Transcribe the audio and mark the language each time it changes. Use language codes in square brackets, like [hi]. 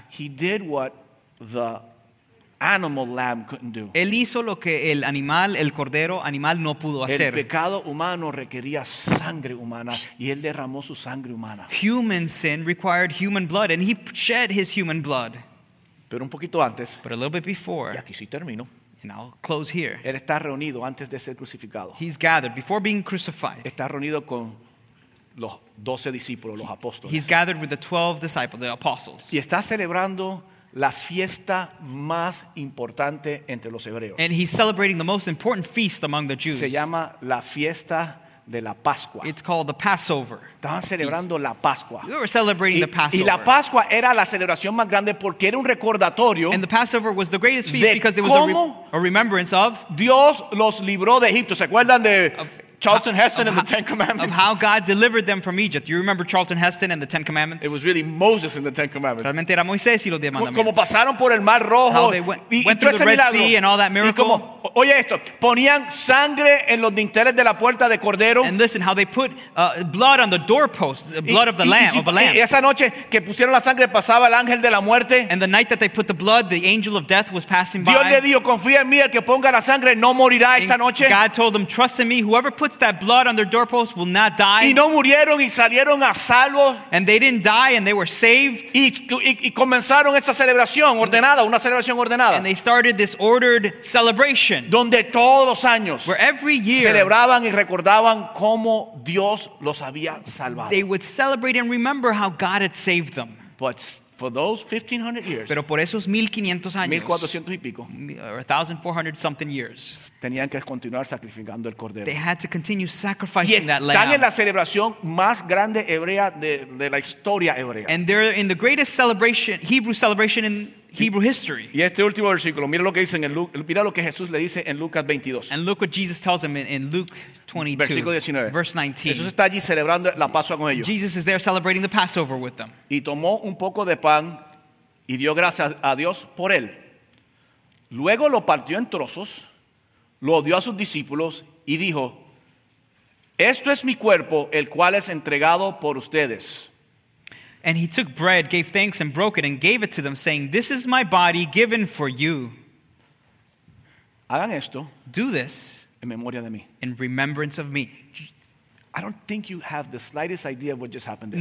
[en] He did what the animal lamb couldn't do. [es] Él hizo lo que el animal, el cordero animal no pudo hacer. El pecado humano requería sangre humana y él derramó su sangre humana. [en] Human sin required human blood and he shed his human blood. [es] Pero un poquito antes. [en] But a little bit before. [es] Y aquí sí termino. [en] And I'll close here. [es] Él está reunido antes de ser crucificado. [en] He's gathered before being crucified. [es] Está reunido con los 12 discípulos, los apóstoles. [en] He's gathered with the 12 disciples, the apostles. [es] Y está celebrando la fiesta más importante entre los hebreos. [en] And he's celebrating the most important feast among the Jews. [es] Se llama la fiesta de la Pascua. [en] It's called the Passover. [es] Estaban celebrando la Pascua. [en] We were celebrating the Passover. [es] Y la Pascua era la celebración más grande porque era un recordatorio. [en] And the Passover was the greatest feast because it was a remembrance of [es] Dios los libró de Egipto. ¿Se acuerdan de Charlton Heston [en] and the Ten Commandments? Of how God delivered them from Egypt. You remember Charlton Heston and the Ten Commandments? It was really Moses and the Ten Commandments. [es] Realmente era Moisés y los diez mandamientos. Como pasaron por el Mar Rojo. [en] How they went through the Red Sea and all that miracle. [es] Y como, oye esto, ponían sangre en los dinteles de la puerta de cordero. [en] And listen how they put blood on the doorpost, blood of the lamb, of a lamb. [es] Y esa noche que pusieron la sangre pasaba el ángel de la muerte. [en] And the night that they put the blood, the angel of death was passing [es] Dios [en] by. [es] Dios le dijo, confía en mí, el que ponga la sangre no morirá esta noche. [en] God told them, trust in me, whoever puts that blood on their doorpost will not die. [es] Y no murieron y salieron a salvo. [en] And they didn't die and they were saved. [es] Y comenzaron esta celebración ordenada, una celebración ordenada. [en] And they started this ordered celebration. [es] Donde todos los años, [en] where every year, [es] celebraban y recordaban cómo Dios los había salvado. [en] They would celebrate and remember how God had saved them. But for those 1500 years, [es] pero por esos 1500 años, 1400 y pico, [en] or 1400 something years, [es] tenían que continuar sacrificando el cordero. [en] They had to continue sacrificing that lamb. [es] Están en la celebración más grande hebrea de la historia hebrea. [en] And they're in the greatest celebration, Hebrew celebration in Hebrew history. [es] Y este último versículo, mira lo que dicen en Luke, mira lo que Jesús le dice en Lucas 22. [en] And look what Jesus tells him in Luke 22. [es] Versículo 19. [en] Verse 19. [es] Jesús está allí celebrando la Pascua con ellos. [en] Jesus is there celebrating the Passover with them. [es] Y tomó un poco de pan y dio gracias a Dios por él. Luego lo partió en trozos. Lo dio a sus discípulos y dijo, esto es mi cuerpo, el cual es entregado por ustedes. [en] And he took bread, gave thanks, and broke it, and gave it to them, saying, this is my body given for you. [es] Hagan esto. [en] Do this. [es] En memoria de mí. [en] In remembrance of me. I don't think you have the slightest idea of what just happened there.